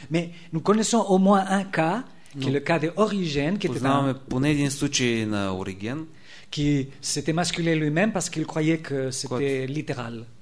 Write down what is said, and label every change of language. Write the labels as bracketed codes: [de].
[fr] Mais nous connaissons au moins un cas, qui est le cas de Origène, qui était dans [bg] поне един случай на Ориген, [fr] qui s'était masculé lui-même parce qu'il croyait que c'était littéral.